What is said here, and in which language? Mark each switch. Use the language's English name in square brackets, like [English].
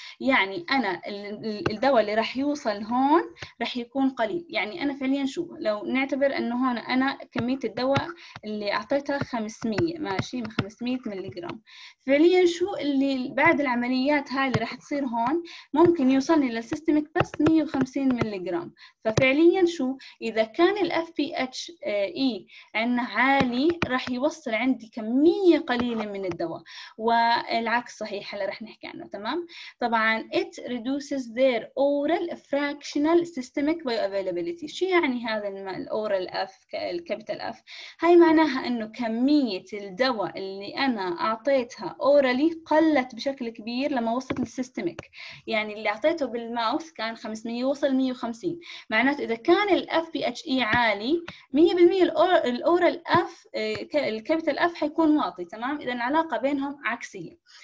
[Arabic] يعني انا الدواء اللي راح يوصل هون راح يكون قليل، يعني انا فعليا شو لو نعتبر انه هون انا كميه الدواء اللي اعطيتها 500، ماشي، من 500 ملغ، فعليا شو اللي بعد العمليات هاي اللي راح تصير هون ممكن يوصلني للسيستميك بس 150 ملي جرام. ففعليا شو اذا كان الـ FPHE عندنا عالي راح يوصل عندي كمية قليلة من الدواء، والعكس صحيح اللي راح نحكي عنه. تمام. طبعا [English] it reduces their oral fractional systemic bioavailability. [Arabic] شو يعني هذا الـ oral F الكابيتال F؟ هاي معناها انه كمية الدواء اللي انا اعطيتها orally قلت بشكل كبير لما وصلت للسيستميك، يعني اللي اعطيته حرارته بالماوس كان 500 وصل 150، معناته إذا كان الـ FBHE عالي 100% الأورال F الكابيتال F حيكون واطي، تمام؟ إذا العلاقة بينهم عكسية.